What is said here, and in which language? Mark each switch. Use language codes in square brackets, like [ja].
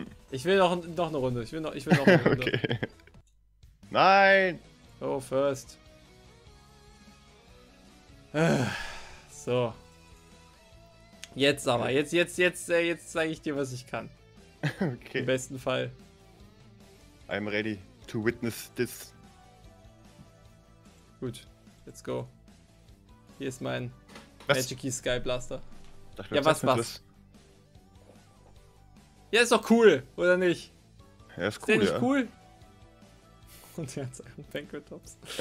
[de] Ich will noch eine Runde. Ich will noch eine Runde. Okay. Nein! [en] Oh, first. [de] So. Jetzt aber. Jetzt zeige ich dir, was ich kann. Okay. Im besten Fall. [en] I'm ready to witness this. Gut. Let's go. [de] Hier ist mein Magic Key Sky Blaster. Dachte, ja, was? Ja, ist doch cool, oder nicht? Ja, ist cool, ja. Nicht cool? Und der hat seinen Bankertops.